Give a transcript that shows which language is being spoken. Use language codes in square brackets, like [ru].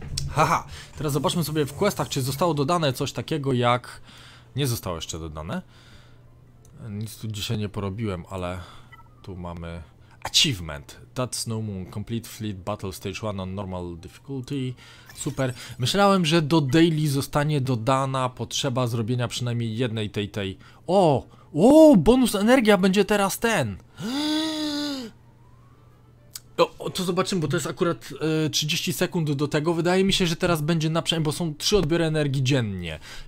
[pl] Haha, teraz zobaczmy sobie w questach, czy zostało dodane coś takiego jak... Nie zostało jeszcze dodane. Nic tu dzisiaj nie porobiłem, ale tu mamy... [en] Achievement. That Snow Moon. Complete Fleet Battle Stage 1 on Normal Difficulty. [pl] Super. Myślałem, że do daily zostanie dodana potrzeba zrobienia przynajmniej jednej tej... O, bonus energia będzie teraz ten! To zobaczymy, bo to jest akurat 30 sekund do tego. Wydaje mi się, że teraz będzie na przemian, bo są 3 odbiory energii dziennie.